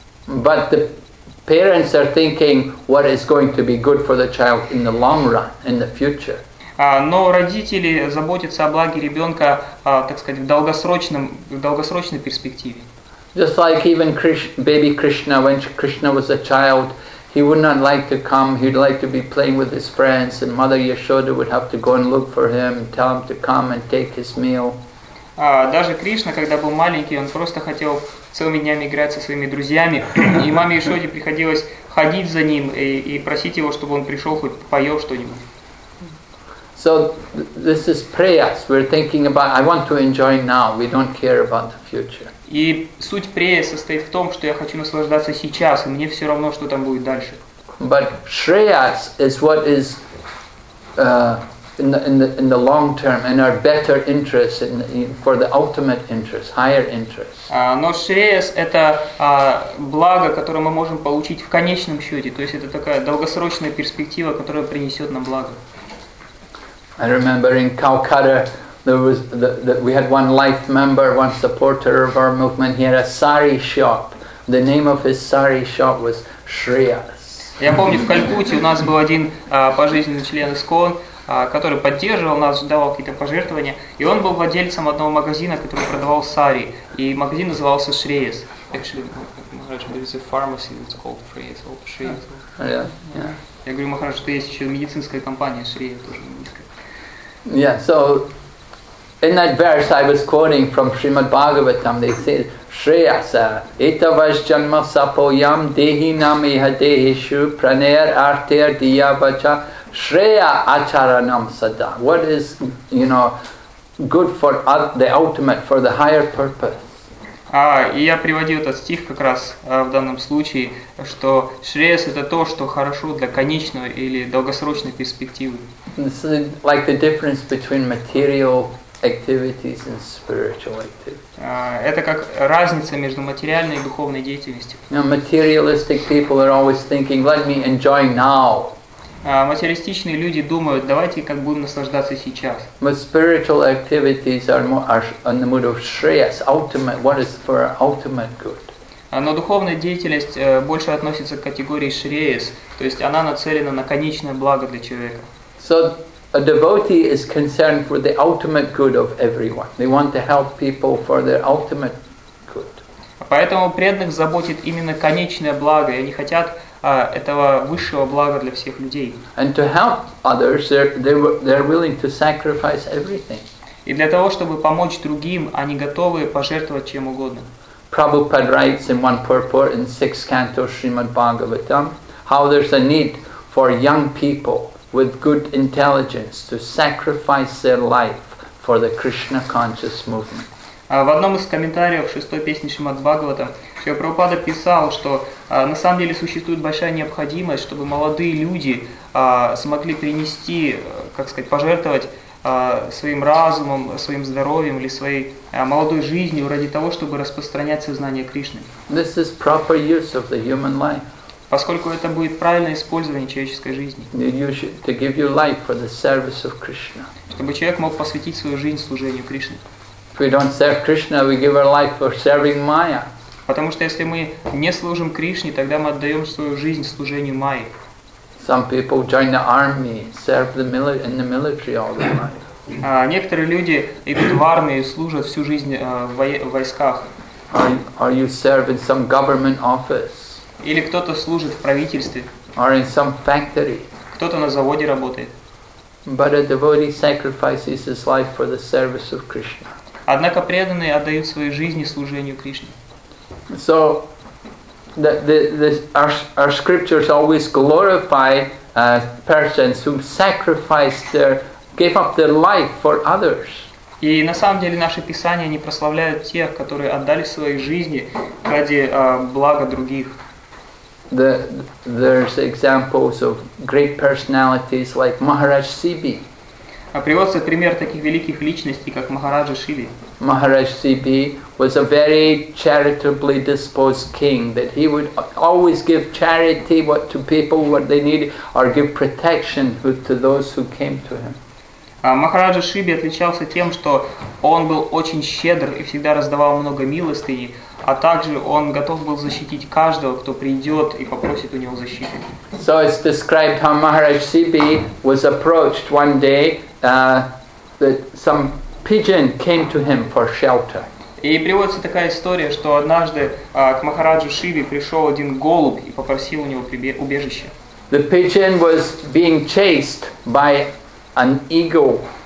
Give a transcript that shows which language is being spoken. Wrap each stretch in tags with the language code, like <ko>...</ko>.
<en>But the parents are thinking what is going to be good for the child in the long run, in the future.</en> <ru>Но родители заботятся о благе ребенка, в долгосрочной перспективе.</ru> <en>Just like even baby Krishna, when Krishna was a child, he would not like to come. He'd like to be playing with his friends, and Mother Yashoda would have to go and look for him and tell him to come and take his meal.</en> <ru>Даже Кришна, когда был маленький, он просто хотел целыми днями играть со своими друзьями, и маме Яшоде приходилось ходить за ним и просить его, чтобы он пришел хоть поел что-нибудь.</ru> <en>So this is prayas. We're thinking about. I want to enjoy now. We don't care about the future.</en> <ru>И суть прея состоит в том, что я хочу наслаждаться сейчас, и мне все равно, что там будет дальше.</ru> <en>But shreyas is what is in the long term and are better interests in for the ultimate interest, higher interest.</en> <ru>Но шрейяс это благо, которое мы можем получить в конечном счете, то есть это такая долгосрочная перспектива, которая принесет нам благо.</ru> <en>I remember in Calcutta there was we had one life member, one supporter of our movement. He had a sari shop. The name of his sari shop was Shreyas.</en> <ru>Я помню, в Калькутте у нас был один пожизненный член ИСКОН, который поддерживал нас, давал какие-то пожертвования, и он был владельцем одного магазина, который продавал сари, и магазин назывался Shreyas.</ru> <en>Actually, Maharaj, there is a pharmacy that's called Shreyas. Oh, yeah. Yeah.</en> <ru>Я говорю, Maharaj, что есть еще медицинская компания Shreyas тоже медицинская.</ru> <en>Yeah, so in that verse I was quoting from Srimad Bhagavatam, they say</en> <sa>Shreyasa Itavas Janma Sapoyam Dehinam Ihadehishu Praner Arter Diyavacha Shreya Acharanam Sada.</sa> <en>What is, you know, good for the ultimate, for the higher purpose?</en> <ru>И я приводил этот стих как раз в данном случае, что Shreyas это то, что хорошо для конечной или долгосрочной перспективы.</ru> <en>This is like the difference between material activities and spiritual activities.</en> <ru>Это как разница между материальной и духовной деятельностью.</ru> <en>You know, materialistic people are always thinking, let me enjoy now.</en> <ru>Материалистичные люди думают, давайте как будем наслаждаться сейчас.</ru> <en>But spiritual activities are more are on the mood of Shreyas, ultimate, what is for ultimate good.</en> <ru>Но духовная деятельность больше относится к категории Shreyas, то есть она нацелена на конечное благо для человека.</ru> <en>So a devotee is concerned for the ultimate good of everyone. They want to help people for their ultimate good.</en> <ru>Поэтому преданных заботит именно конечное благо, и они хотят этого высшего блага для всех людей.</ru> <en>And to help others, they're willing to sacrifice everything.</en> <ru>И для того, чтобы помочь другим, они готовы пожертвовать чем угодно.</ru> <en>Prabhupada writes in one purport in 6th canto Srimad Bhagavatam how there's a need for young people with good intelligence to sacrifice their life for the Krishna conscious movement.</en> <ru>В одном из комментариев шестой песни Шримад Бхагавата Шри Прабхупада писал, что на самом деле существует большая необходимость, чтобы молодые люди смогли принести, как сказать, пожертвовать своим разумом, своим здоровьем или своей молодой жизнью ради того, чтобы распространять сознание Кришны.</ru> <en>This is proper use of the human life.</en> <ru>Поскольку это будет правильное использование человеческой жизни.</ru> <en>To give you life for the service of Krishna.</en> <ru>Чтобы человек мог посвятить свою жизнь служению Кришне.</ru> <en>If we don't serve Krishna, we give our life for serving Maya.</en> <ru>Потому что если мы не служим Кришне, тогда мы отдаем свою жизнь служению Майе.</ru> <en>Some people join the army, serve in the military all their life.</en> <ru>Некоторые люди идут в армию и служат всю жизнь в войсках.</ru> <en>Or you serve in some government office.</en> <ru>Или кто-то служит в правительстве.</ru> <en>Or in some factory.</en> <ru>Кто-то на заводе работает.</ru> <en>But a devotee sacrifices his life for the service of Krishna.</en> <ru>Однако преданные отдают свои жизни служению Кришне.</ru> <en>So our scriptures always glorify persons who sacrificed their gave up their life for others.</en> <ru>И на самом деле наши писания не прославляют тех, которые отдали свои жизни ради блага других.</ru> <en>There's examples of great personalities like Maharaj Sibi.</en> <ru>Приводится пример таких великих личностей, как Махараджа Шиви.</ru> <en>Maharaj Sibi was a very charitably disposed king, that he would always give charity what to people what they needed, or give protection to those who came to him.</en> <ru>Махараджа Шиби отличался тем, что он был очень щедр и всегда раздавал много милостыни, а также он готов был защитить каждого, кто придет и попросит у него защиты.</ru> <en>So it's described how Maharaj Sibi was approached one day that some pigeon came to him for shelter.</en> <ru>И приводится такая история, что однажды к Махараджу Шиви пришел один голубь и попросил у него убежище.</ru> <en>The pigeon was being chased by an eagle.</en>